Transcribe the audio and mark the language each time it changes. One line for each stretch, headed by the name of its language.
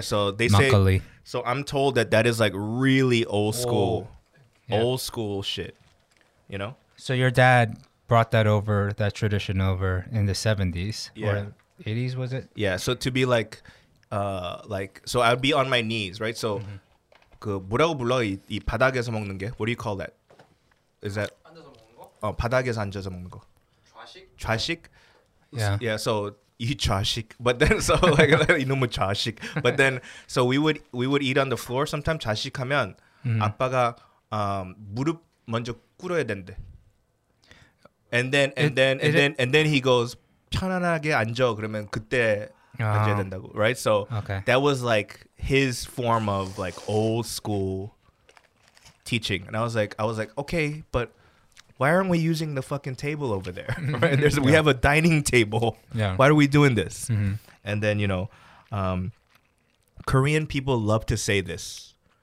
English: So they say, so I'm told that is like really old school, old school shit. You know, so your dad brought that tradition over in the 70s or 80s, was it? Yeah. So to be like, so I'd be on my knees, right?
Korean: So, 그 뭐라고 불러 이 바닥에서 먹는 게?
English: What do you call that? Is that
Korean: 앉아서 먹는 거? 바닥에서 앉아서 먹는 거. 좌식. Yeah. So 이 좌식.
English: But then so like
Korean: 이놈의 좌식.
English: But then so we would eat on the floor.
Korean: Sometimes 좌식하면 아빠가 무릎 먼저 꿇어야 된대.
English: And then he goes
Korean: 편안하게 앉아 그러면 그때 앉아야 된다고.
English: Right? So that was like his form of like old school teaching. And I was like, okay, but why aren't we using the fucking table over there? Right? We have a dining table. Yeah. Why are we doing this? Mm-hmm. And then, you know, Korean people love to say this.